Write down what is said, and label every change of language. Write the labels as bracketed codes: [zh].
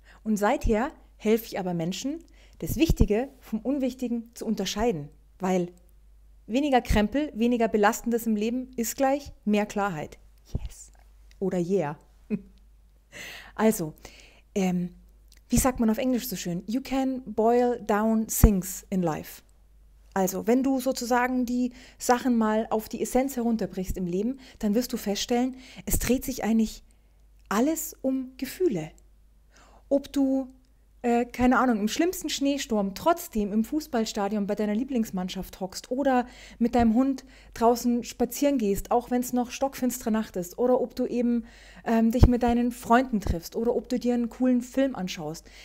[de] Und seither helfe ich aber Menschen, das Wichtige vom Unwichtigen zu unterscheiden. Weil weniger Krempel, weniger Belastendes im Leben ist gleich mehr Klarheit. Yes. Oder yeah. Also, wie sagt man auf Englisch so schön? [en] You can boil down things in life. [de] Also, wenn du sozusagen die Sachen mal auf die Essenz herunterbrichst im Leben, dann wirst du feststellen, es dreht sich eigentlich alles um Gefühle. Ob du, keine Ahnung, im schlimmsten Schneesturm trotzdem im Fußballstadion bei deiner Lieblingsmannschaft hockst oder mit deinem Hund draußen spazieren gehst, auch wenn es noch stockfinstere Nacht ist, oder ob du eben dich mit deinen Freunden triffst oder ob du dir einen coolen Film anschaust.